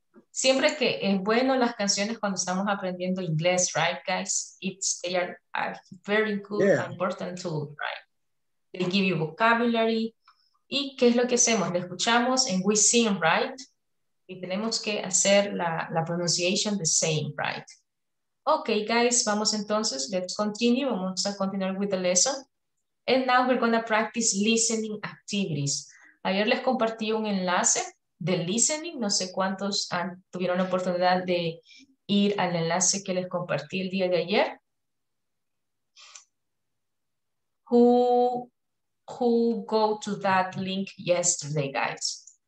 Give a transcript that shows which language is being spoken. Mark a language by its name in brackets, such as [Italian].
[Spanish] Siempre que es bueno las canciones cuando estamos aprendiendo inglés, [English] right, guys? They are a very good, important tool, right? They give you vocabulary. [Spanish] ¿Y qué es lo que hacemos? Le escuchamos [English] and we sing, right? [Spanish] Y tenemos que hacer la pronunciation [English] the same, right? Okay, guys, [Spanish] vamos entonces, [English] let's continue. [Spanish] Vamos a continuar [English] with the lesson. And now we're going to practice listening activities. [Spanish] Ayer les compartí un enlace de listening. No sé cuántos tuvieron la oportunidad de ir al enlace que les compartí el día de ayer. [English] Who go to that link yesterday, guys?